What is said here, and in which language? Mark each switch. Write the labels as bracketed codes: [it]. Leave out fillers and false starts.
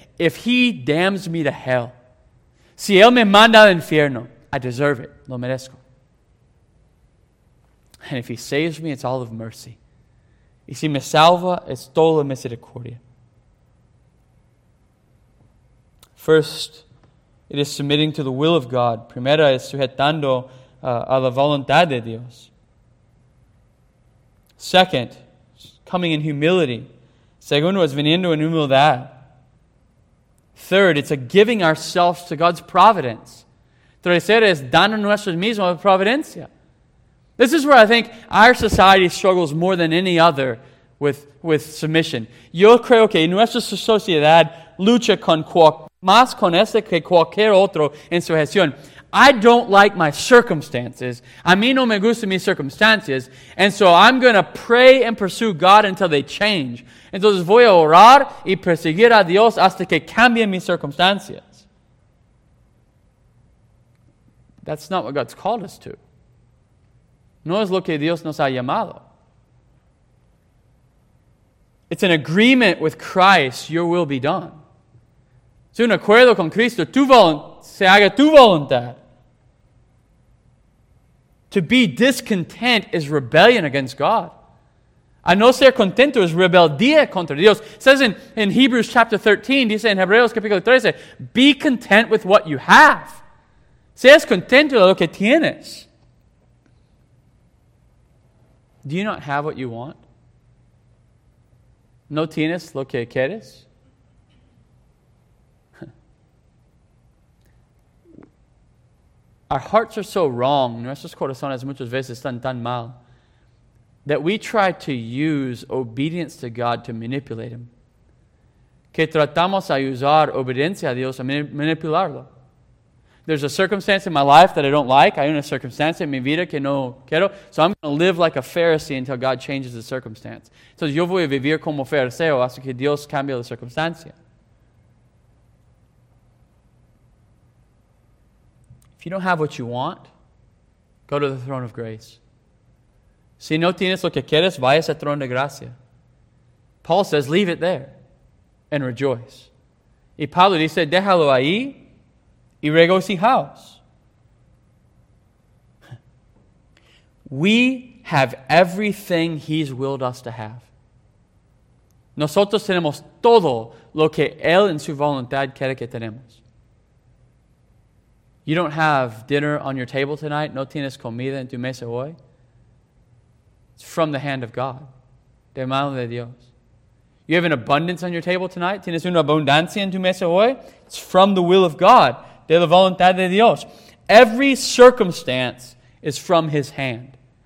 [en] If He damns me to hell, [es] si Él me manda al infierno, [en] I deserve it. [es] Lo merezco. [en] And if He saves me, it's all of mercy. [es] Y si me salva, es toda misericordia. [en] First, it is submitting to the will of God. [es] Primera es sujetando a la voluntad de Dios. [en] Second, coming in humility. [es] Segundo, es viniendo en humildad. [en] Third, it's a giving ourselves to God's providence. [es] Tercero, es dando nuestros mismos a providencia. [en] This is where I think our society struggles more than any other with submission. [es] Yo creo que nuestra sociedad lucha más con este que cualquier otro en sujeción. [en] I don't like my circumstances. [es] A mí no me gustan mis circunstancias. [en] And so I'm going to pray and pursue God until they change. [es] Entonces voy a orar y perseguir a Dios hasta que cambien mis circunstancias. [en] That's not what God's called us to. [es] No es lo que Dios nos ha llamado. [en] It's an agreement with Christ, your will be done. [es] Es un acuerdo con Cristo, se haga tu voluntad. [en] To be discontent is rebellion against God. [es] A no ser contento es rebeldía contra Dios. [en] It says in Hebrews chapter 13, [es] dice en Hebreos capítulo 13, [en] be content with what you have. [es] Seas contento de lo que tienes. [en] Do you not have what you want? [es] ¿No tienes lo que quieres? [en] Our hearts are so wrong, [es] nuestros corazones muchas veces están tan mal, [en] that we try to use obedience to God to manipulate Him. [es] Que tratamos a usar obediencia a Dios a manipularlo. [en] There's a circumstance in my life that I don't like. [es] Hay una circunstancia en mi vida que no quiero. [en] So I'm going to live like a Pharisee until God changes the circumstance. [es] Entonces yo voy a vivir como fariseo hasta que Dios cambie la circunstancia. [en] If you don't have what you want, go to the throne of grace. [es] Si no tienes lo que quieres, vayas al trono de gracia. [en] Paul says, leave it there and rejoice. [es] Y Pablo dice, déjalo ahí y regocijaos. [en] We have everything He's willed us to have. [es] Nosotros tenemos todo lo que Él en su voluntad quiere que tenemos. [en] You don't have dinner on your table tonight. [es] No tienes comida en tu mesa hoy. [en] It's from the hand of God. [es] De mano de Dios. [en] You have an abundance on your table tonight. [es] Tienes una abundancia en tu mesa hoy. [en] It's from the will of God. [es] De la voluntad de Dios. [en] Every circumstance is from His hand.